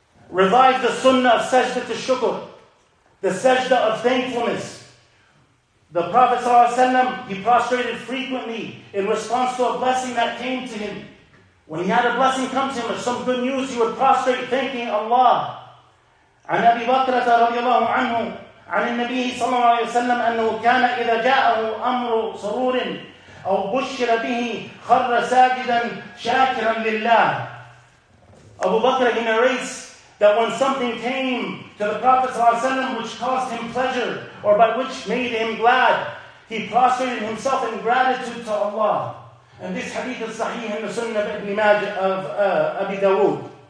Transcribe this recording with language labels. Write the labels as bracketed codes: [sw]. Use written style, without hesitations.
[en] Revive the sunnah of sajda to shukr, the sajda of thankfulness. The Prophet sallallahu alaihi wasallam, he prostrated frequently in response to a blessing that came to him. When he had a blessing come to him or some good news, he would prostrate thanking Allah. [ar] عن أبي بكرة رضي الله عنه عن النبي صلى الله عليه وسلم أنه كان إذا جاءه أمر سرور أو بشر به خر ساجدا شاكرا لله. [en] Abu Bakr, he narrates that when something came to the Prophet ﷺ which caused him pleasure or by which made him glad, he prostrated himself in gratitude to Allah. And this hadith is sahih in the Sunnah of Ibn Majah of Abi Dawood.